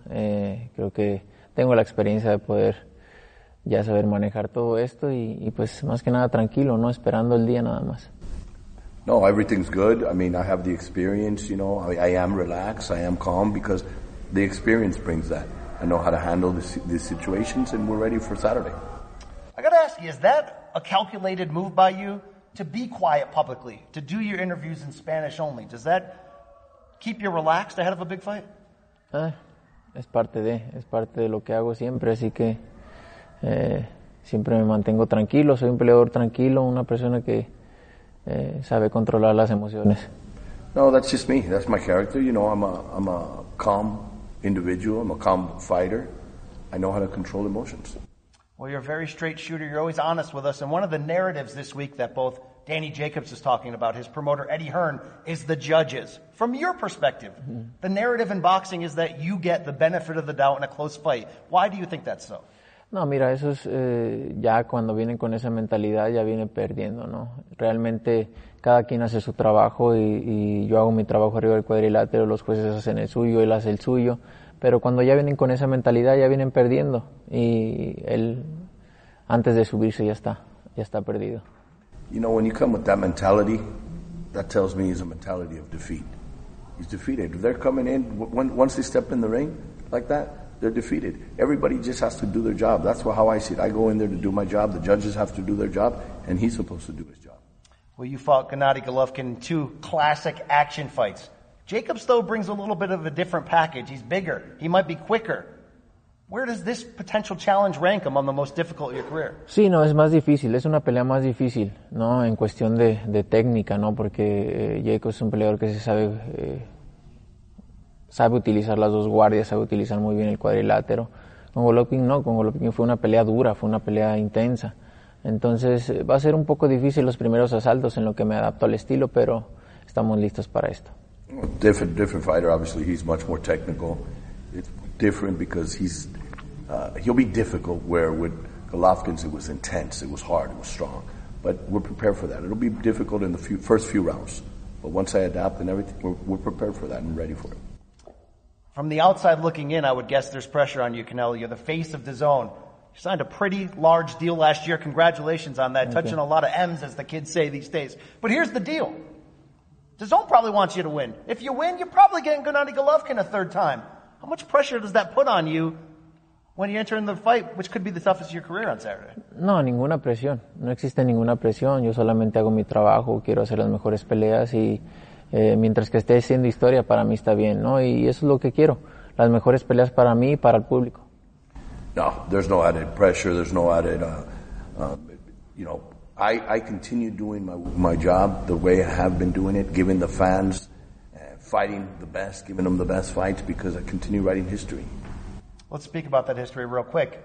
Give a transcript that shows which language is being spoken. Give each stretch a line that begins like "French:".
Spanish: Creo que tengo la experiencia de poder ya saber manejar todo esto y pues más que nada tranquilo, no esperando el día nada más.
English: No, everything's good. I mean, I have the experience, you know. I am relaxed. I am calm because the experience brings that. I know how to handle these situations, and we're ready for Saturday. I got to ask you, is that a calculated move by you to be quiet publicly, to do your interviews in Spanish only? Does that keep you relaxed ahead of a big fight?
Spanish: Es parte de lo que hago siempre, así que siempre me mantengo tranquilo. Soy un peleador tranquilo, una persona que sabe controlar las emociones.
English: No, that's just me. That's my character. You know, I'm a calm individual. I'm a calm fighter. I know how to control emotions. Well, you're a very straight shooter. You're always honest with us. And one of the narratives this week that both Danny Jacobs is talking about, his promoter Eddie Hearn, is the judges. From your perspective, the narrative in boxing is that you get the benefit of the doubt in a close fight. Why do you think that's so?
Spanish: No, mira, eso es ya cuando vienen con esa mentalidad ya vienen perdiendo, ¿no? Realmente cada quien hace su trabajo y yo hago mi trabajo arriba del cuadrilátero, los jueces hacen el suyo, él hace el suyo, pero cuando ya vienen con esa mentalidad ya vienen perdiendo y él antes de subirse ya está perdido.
English: You know, when you come with that mentality, that tells me he's a mentality of defeat. He's defeated. They're coming in, once they step in the ring like that, they're defeated. Everybody just has to do their job. That's how I see it. I go in there to do my job. The judges have to do their job, and he's supposed to do his job. Well, you fought Gennady Golovkin in two classic action fights. Jacobs, though, brings a little bit of a different package. He's bigger. He might be quicker. Where does this potential challenge rank among the most difficult of your career?
Spanish: Sí, no, es más difícil. Es una pelea más difícil, ¿no? En cuestión de técnica, ¿no? Porque Jacobs es un peleador que se sabe... Sabe utilizar las dos guardias, sabe utilizar muy bien el cuadrilátero. Con Golovkin no, con Golovkin fue una pelea dura, fue una pelea intensa. Entonces va a ser un poco difícil los primeros asaltos en lo que me adapto al estilo, pero estamos listos para esto.
English: Different fighter, obviously he's much more technical. It's different because he'll be difficult where with Golovkin's it was intense, it was hard, it was strong. But we're prepared for that. It'll be difficult in the first few rounds. But once I adapt and everything, we're prepared for that and ready for it. From the outside looking in, I would guess there's pressure on you, Canelo. You're the face of DAZN. You signed a pretty large deal last year. Congratulations on that. Thank Touching you. A lot of M's, as the kids say these days. But here's the deal. DAZN probably wants you to win. If you win, you're probably getting Gennady Golovkin a third time. How much pressure does that put on you when you enter in the fight, which could be the toughest of your career on Saturday?
Spanish: No, ninguna presión. No existe ninguna presión. Yo solamente hago mi trabajo. Quiero hacer las mejores peleas y... mientras que esté haciendo historia, para mí está bien, ¿no? Y eso es lo que quiero, las mejores peleas para mí y para el público.
English: No, there's no added pressure, there's no added, you know, I continue doing my job the way I have been doing it, giving the fans, fighting the best, giving them the best fights, because I continue writing history. Let's speak about that history real quick.